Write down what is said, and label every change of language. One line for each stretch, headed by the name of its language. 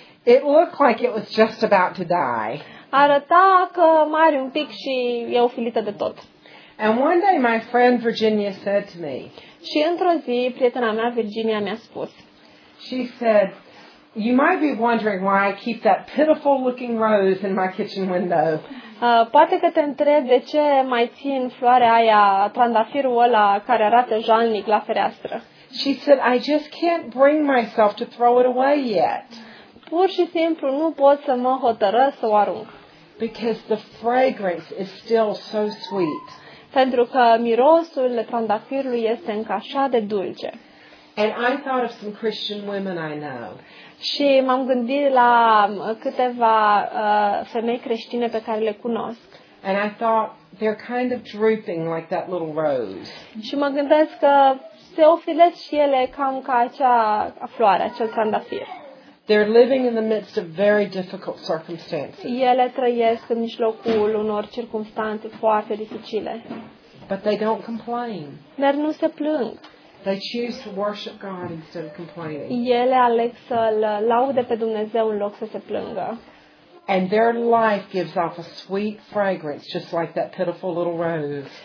English: It looked like it was just about to die.
Romanian: Arăta că mai are un pic și e ofilită de tot.
English: And one day my friend Virginia said to me.
Romanian: Și într-o zi prietena mea Virginia mi-a spus.
English: She said, "You might be wondering why I keep that pitiful-looking rose in my kitchen window."
Romanian: Poate că te întrebi de ce mai țin floarea aia, trandafirul ăla care arată jalnic la fereastră.
English: She said, "I just can't bring myself to throw it away yet."
Romanian: Pur și simplu nu pot să mă hotărăsc să o arunc.
English: Because the fragrance is still so sweet.
Romanian: Pentru că mirosul trandafirului este încă așa de dulce.
English: And I thought of some Christian women I know.
Romanian: Și m-am gândit la câteva femei creștine pe care le cunosc.
English: And I thought they're kind of drooping like that little rose.
Romanian: Și mă gândesc că se ofilesc și ele cam ca acea floare, acel trandafir.
English: They're living in the midst of very difficult circumstances.
Romanian: Ele trăiesc în mijlocul unor circumstanțe foarte dificile.
English: But they don't complain.
Romanian: Dar nu se plâng.
English: They choose to worship God instead of complaining.
Romanian: Ele aleg să laude pe Dumnezeu în loc să se plângă.
English: And their life gives off a sweet fragrance just like that pitiful little rose.